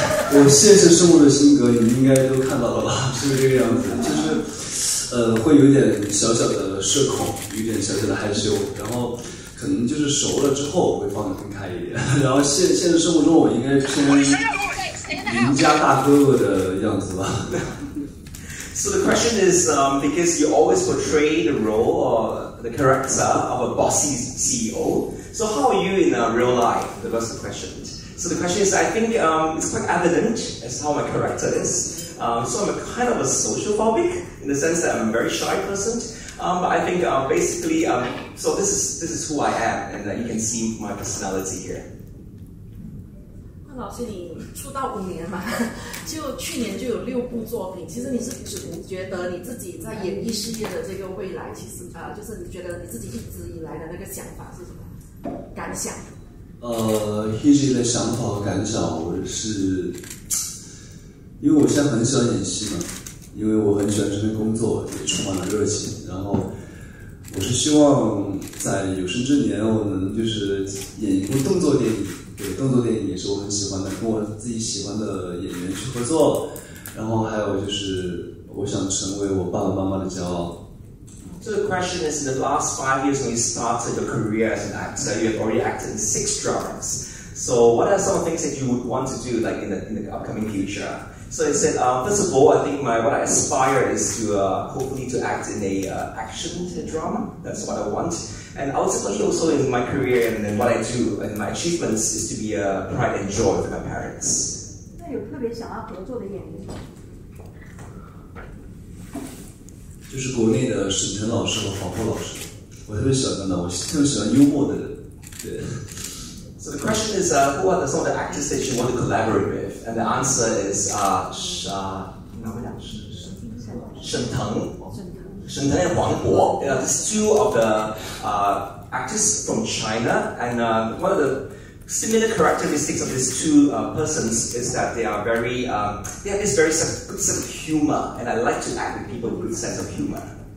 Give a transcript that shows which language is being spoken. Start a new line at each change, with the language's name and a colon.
Chinese: 我现实生活的性格你应该都看到了吧？是不是这个样子？就是会有点小小的社恐，有点小小的害羞，然后可能就是熟了之后会放得更开一点。然后现实生活中，我应该偏邻家大哥哥的样子吧。
English: So the question is, because you always portray the role or the character of a bossy CEO, so how are you in real life? That was the question. So the question is, I think it's quite evident as how my character is. So I'm a kind of a sociophobic in the sense that I'm a very shy person. But I think basically, so this is who I am, and you can see my personality here.
Chinese: 老师，你出道五年嘛，就去年就有六部作品。其实你是不是觉得你自己在演艺事业的这个未来，其实就是你觉得你自己一直以来的那个想法是什么感想？一直的想法和感想，我是因为我现在很喜欢演戏嘛，因为我很喜欢这份工作，也充满了热情。然后我是希望在有生之年，我能就是演一部动作电影。对，动作电影也是我很喜欢的，跟我自己喜欢的演员去合作，然后还有就是我想成为我爸爸妈妈的骄傲。
English: So the question is, in the last 5 years when you started your career as an actor, you have already acted in 6 dramas. So what are some of the things that you would want to do like in the upcoming future? So I said, first of all, I think what I aspire is to hopefully to act in a action drama. That's what I want. And ultimately also in my career and then what I do and my achievements is to be a pride and joy for my parents.
Chinese: 那有特别想要合作的演员？就是国内的沈腾老师和黄渤老师，我特别喜欢的，我特别喜欢幽默的人。对。
English: So So the question is, who are some of the actors that you want to collaborate with? And the answer is, Shen Teng and Wang Bo. These two of the actors from China, and one of the similar characteristics of these two persons is that they are very, they have this very good sense of humor, and I like to act with people with good sense of humor.